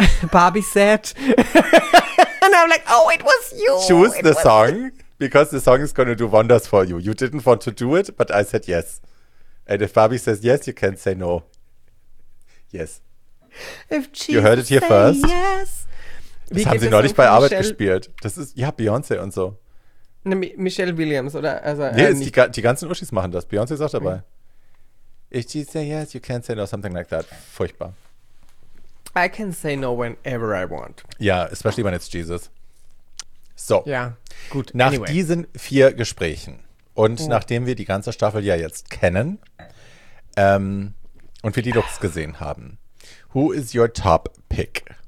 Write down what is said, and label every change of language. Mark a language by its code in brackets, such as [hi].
[en] Barbie said. And I'm like, oh, it was you. Choose it the song. Because the song is going to do wonders for you. You didn't want to do it, but I said yes. And if Barbie says yes, you can't say no. Yes. If Jesus, you heard it here first. Yes. [de] Das haben sie neulich bei Arbeit gespielt. Das ist, ja, Beyoncé und so. Ne, Michelle Williams, oder? Also, nee, nicht. Die ganzen Uschis machen das. Beyoncé ist auch dabei. [en] If she say yes, you can't say no, something like that. [de] Furchtbar. [en] I can say no whenever I want. Ja, especially when it's Jesus. [de] So. Ja, gut. Nach diesen vier Gesprächen und nachdem wir die ganze Staffel ja jetzt kennen und wir die Looks gesehen haben, [en] who is your top pick?